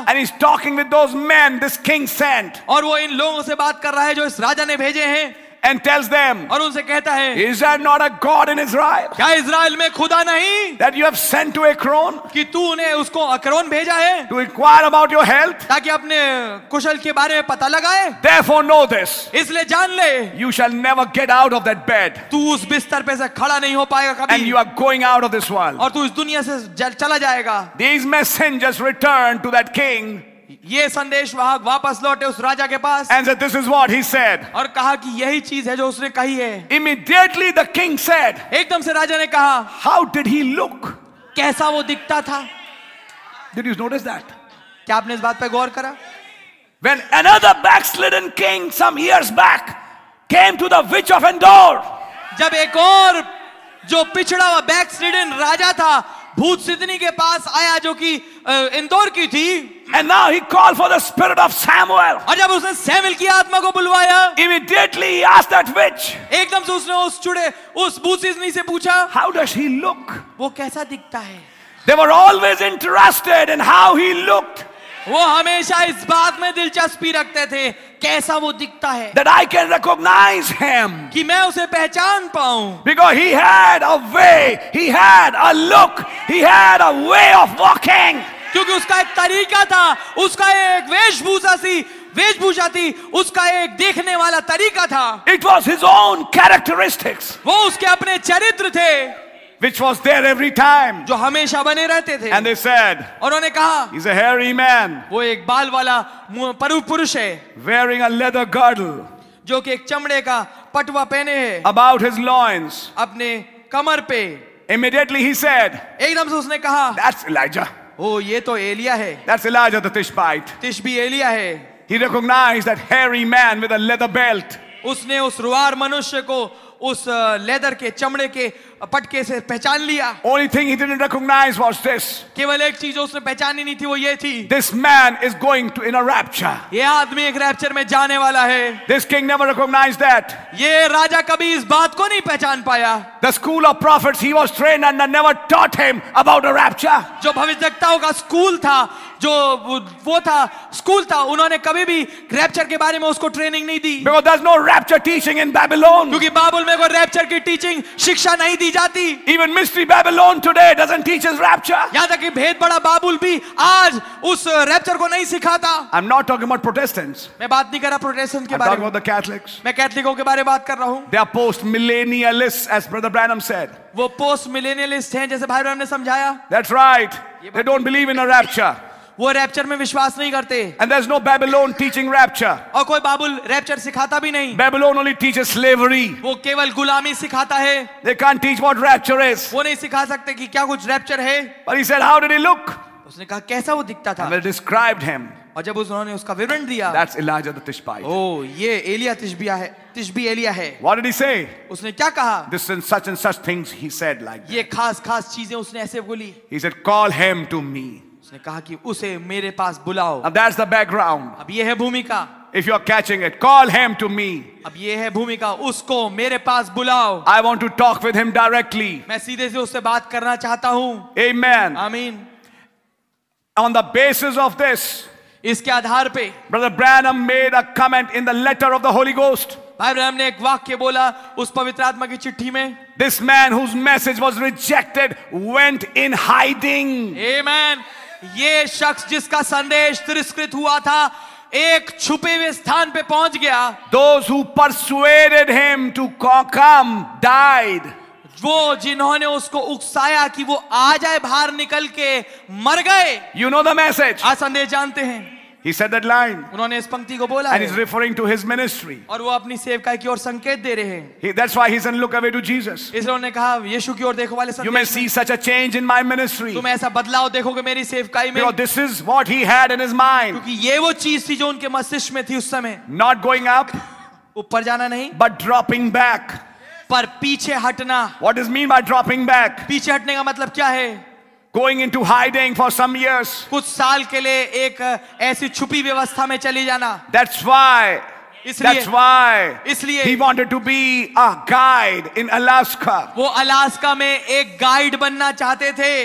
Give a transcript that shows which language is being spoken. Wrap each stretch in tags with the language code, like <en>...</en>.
<en>And he's talking with those men this king sent.</en> <hi>और वो इन लोगों से बात कर रहा है जो इस राजा ने भेजे हैं.</hi> <en>And tells them,</en> <hi>और उनसे कहता है,</hi> <en>is there not a God in Israel?</en> <hi>क्या इज़राइल में खुदा नहीं?</hi> <en>That you have sent to Ekron?</en> <hi>कि तूने उसको अक्रोन भेजा है?</hi> <en>To inquire about your health?</en> <hi>ताकि अपने कुशल के बारे में पता लगाए?</hi> <en>Therefore know this.</en> <hi>इसलिए जान ले.</hi> <en>You shall never get out of that bed.</en> <hi>तू उस बिस्तर पे से खड़ा नहीं हो पाएगा कभी.</hi> <en>And you are going out of this world.</en> <hi>और तू इस दुनिया से चला जाएगा.</hi> <en>These messengers return to that king.</en> <hi>ये संदेश वहां वापस लौटे उस राजा के पास.</hi> <en>And said, this is what he said.</en> <hi>और कहा कि यही चीज है जो उसने कही है.</hi> <en>Immediately the king said,</en> <hi>एकदम से राजा ने कहा,</hi> <en>how did he look?</en> <hi>कैसा वो दिखता था?</hi> <en>Did you notice that?</en> <hi>क्या आपने इस बात पर गौर करा?</hi> <en>When another backslidden king some years back came to the witch of Endor,</en> <hi>जब एक और जो पिछड़ा हुआ backslidden राजा था भूत सिद्धनी के पास आया जो कि इंदौर की थी.</hi> <en>And now he called for the spirit of Samuel.</en> <hi>और जब उसने सैमुएल की आत्मा को बुलवाया,</hi> <en>immediately he asked that witch.</en> <hi>एकदम से उसने उस चुड़े उस भूत सिद्धनी से पूछा,</hi> <en>how does he look?</en> <hi>वो कैसा दिखता है?</hi> <en>They were always interested in how he looked.</en> <hi>वो हमेशा इस बात में दिलचस्पी रखते थे कैसा वो दिखता है.</hi> <en>That I can recognize him.</en> <hi>कि मैं उसे पहचान पाऊं.</hi> <en>Because he had a way, he had a look, he had a way of walking.</en> <hi>क्योंकि उसका एक तरीका था, उसका एक वेशभूषा थी, उसका एक देखने वाला तरीका था.</hi> <en>It was his own characteristics.</en> <hi>वो उसके अपने चरित्र थे.</hi> <en>Which was there every time.</en> <hi>जो हमेशा बने रहते थे.</hi> <en>And they said,</en> <hi>और उन्होंने कहा,</hi> <en>he's a hairy man.</en> <hi>वो एक बाल वाला परुपुरुष है.</hi> <en>Wearing a leather girdle.</en> <hi>जो कि एक चमड़े का पटवा पहने है.</hi> <en>About his loins.</en> <hi>अपने कमर पे.</hi> <en>Immediately he said,</en> <hi>एकदम से उसने कहा,</hi> <en>that's Elijah.</en> <hi>ओ ये तो एलिया है.</hi> <en>That's Elijah the Tishbite.</en> <hi>तिशबी Elia है.</hi> <en>He recognized that hairy man with a leather belt.</en> <hi>उसने उस रुआर मनुष्य को उस लेदर के चमड़े के पटके से पहचान लिया.</hi> <en>Only thing he didn't recognize was this.</en> <hi>केवल एक चीज उसने पहचानी नहीं थी वो ये थी.</hi> <en>This man is going to in a rapture.</en> <hi>ये आदमी एक रैप्चर में जाने वाला है.</hi> <en>This king never recognized that.</en> <hi>ये राजा कभी इस बात को नहीं पहचान पाया.</hi> <en>The school of prophets he was trained under never taught him about a rapture.</en> <hi>जो भविष्यवक्ताओं का स्कूल था, जो वो था स्कूल था, उन्होंने कभी भी रैप्चर के बारे में उसको ट्रेनिंग नहीं दी.</hi> <en>Because there's no rapture teaching in Babylon.</en> <hi>क्योंकि बाबुल में कोई रैप्चर की टीचिंग शिक्षा नहीं दी जाती.</hi> <en>Even mystery Babylon today doesn't teach us rapture.</en> <hi>यहां तक कि भेद बड़ा बाबुल भी आज उस रैप्चर को नहीं सिखाता.</hi> <en>I'm not talking about Protestants.</en> <hi>मैं बात नहीं कर रहा प्रोटेस्टेंट के बारे में.</hi> <en>I'm talking about the Catholics.</en> <hi>मैं कैथलिकों के बारे में बात कर रहा हूं.</hi> <en>They are post-millennialists, as Brother Branham said.</en> <hi>वो post-millennialists हैं, जैसे भाई ब्रैनम ने समझाया.</hi> <en>That's right. They don't believe in a rapture.</en> <hi>वो रैप्चर में विश्वास नहीं करते.</hi> <en>And there's no Babylon teaching rapture.</en> <hi>और कोई बाबुल रैप्चर सिखाता भी नहीं.</hi> <en>Babylon only teaches slavery.</en> <hi>वो केवल गुलामी सिखाता है.</hi> <en>They can't teach what rapture is.</en> <hi>वो नहीं सिखा सकते कि क्या कुछ रैप्चर है.</hi> <en>But he said, how did he look?</en> <hi>उसने कहा कैसा वो दिखता था.</hi> <en>And they described him.</en> <hi>और जब उन्होंने उसका विवरण दिया.</hi> <en>That's Elijah the Tishbite.</en> <hi>Oh, ये एलिया तिशबिया है.</hi> <en>What did he say?</en> <hi>उसने क्या कहा?</hi> <en>This and such things he said like.</en> <hi>ये खास खास चीजें उसने ऐसे बोली.</hi> <en>He said, call him to me.</en> <hi>उसने कहा कि उसे मेरे पास बुलाओ.</hi> <en>Now that's the background.</en> <hi>अब ये है भूमिका.</hi> <en>If you are catching it, call him to me.</en> <hi>अब ये है भूमिका. उसको मेरे पास बुलाओ.</hi> <en>I want to talk with him directly.</en> <hi>मैं सीधे से उससे बात करना चाहता हूँ.</hi> <en>Amen. Amen. On the basis of this,</en> <hi>इसके आधार पे,</hi> <en>Brother Branham made a comment in the letter of the Holy Ghost.</en> <hi>भाई ब्रैनम ने एक वाक्य बोला उस पवित्र आत्मा की चिट्ठी में.</hi> <en>This man whose message was rejected went in hiding. Amen.</en> <hi>ये शख्स जिसका संदेश तिरस्कृत हुआ था एक छुपे हुए स्थान पे पहुंच गया.</hi> <en>Those who persuaded him to come died.</en> <hi>वो जिन्होंने उसको उकसाया कि वो आ जाए बाहर निकल के मर गए.</hi> <en>You know the message.</en> <hi>आज संदेश जानते हैं.</hi> <en>He said that line.</en> <hi>उन्होंने इस पंक्ति को बोला.</hi> <en>And he's referring to his ministry.</en> <hi>और वो अपनी सेवकाई की ओर संकेत दे रहे हैं.</hi> <en>That's why he said, look away to Jesus.</en> <hi>इसलिए उन्होंने कहा यीशु की ओर देखो वाले संदेश.</hi> <en>You may see such a change in my ministry.</en> <hi>तुम ऐसा बदलाव देखोगे मेरी सेवकाई में.</hi> <en>Because this is what he had in his mind.</en> <hi>क्योंकि ये वो चीज थी जो उनके मस्तिष्क में थी उस समय.</hi> <en>Not going up.</en> <hi>ऊपर जाना नहीं.</hi> <en>But dropping back.</en> <hi>पर पीछे हटना.</hi> <en>What does mean by dropping back?</en> <hi>पीछे हटने का मतलब क्या है?</hi> <en>Going into hiding for some years.</en> <hi>कुछ साल के लिए एक ऐसी छुपी व्यवस्था में चले जाना.</hi> <en>That's why. He wanted to be a guide in Alaska.</en> <hi>वो अलास्का में एक गाइड बनना चाहते थे.</hi>